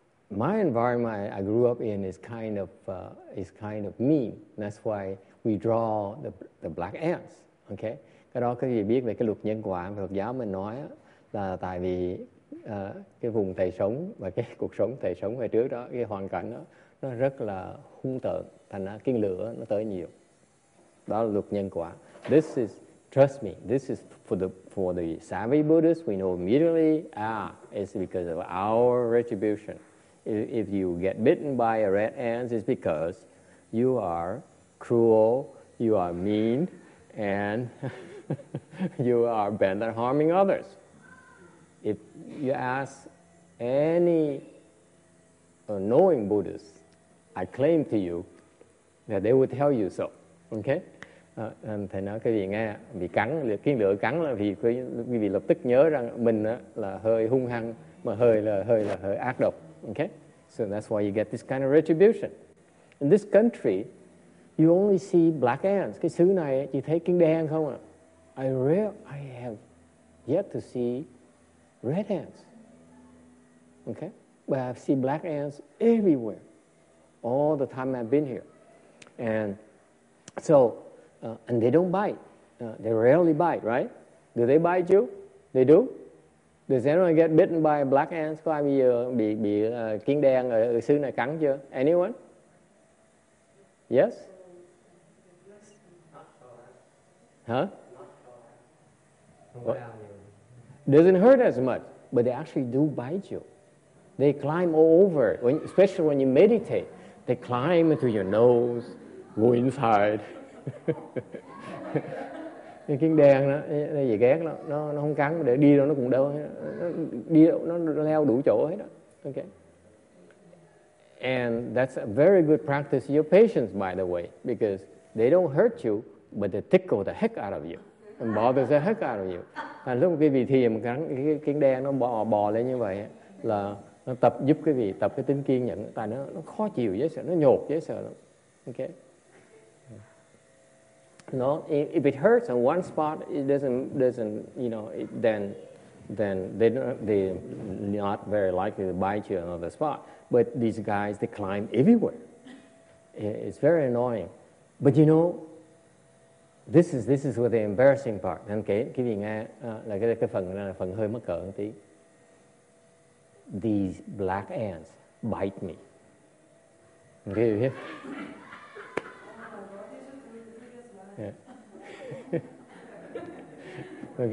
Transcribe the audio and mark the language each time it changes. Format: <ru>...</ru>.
<en>My environment I grew up in is kind of mean. That's why we draw the black ants, okay.</en> <vi>Cái đó các vị biết về cái luật nhân quả Phật giáo mình nói là tại vì cái vùng thầy sống và cái cuộc sống thầy sống ngày trước đó, cái hoàn cảnh đó nó rất là hung tợn, thành ra kiến lửa nó tới nhiều. Đó là luật nhân quả.</vi> <en>This is, trust me, this is for the savvy Buddhists, we know immediately, it's because of our retribution. If you get bitten by a red ant, it's because you are cruel, you are mean, and you are bent on harming others. If you ask any knowing Buddhist, I claim to you that they will tell you so. Okay?</en> <vi>Thầy nói cái gì nghe, bị cắn, kiến lửa cắn là vì lập tức nhớ rằng mình là hơi hung hăng, mà hơi ác độc.</vi> <en>Okay? So that's why you get this kind of retribution. In this country, you only see black ants.</en> <vi>Cái xứ này chỉ thấy kiến đen không ạ?</vi> <en>I have yet to see red ants. Okay? But I've seen black ants everywhere, all the time I've been here. And so, and they don't bite. They rarely bite, right? Do they bite you? They do? Does anyone get bitten by black ants?</en> <vi>Có ai bây giờ bị kiến đen ở xứ này cắn chưa?</vi> <en>Anyone? Yes? Huh? Well, doesn't hurt as much, but they actually do bite you. They climb all over, especially when you meditate. They climb into your nose, go inside.</en> <vi>Cái kiến đen nó dễ ghét lắm, nó không cắn, để đi đâu nó cũng đau, nó leo đủ chỗ hết đó.</vi> <en>Okay. And that's a very good practice of your patience, by the way, because they don't hurt you, but they tickle the heck out of you. And bothers the heck out of you.</en> <vi>À, lúc quý vị thiền cắn cái kiến đen nó bò lên như vậy là nó tập giúp quý vị tập cái tính kiên nhẫn, tại nó khó chịu dễ sợ, nó nhột dễ sợ lắm. Okay.</vi> <en>No, if it hurts in one spot, it doesn't you know, it, then they don't, they're not very likely to bite you another spot. But these guys, they climb everywhere. It's very annoying. But you know, this is what the embarrassing part.</en> <vi>Okay, cái gì nghe là cái phần này là phần hơi mắc cỡ một tí.</vi> <en>These black ants bite me. Okay, you hear? Yeah.</en>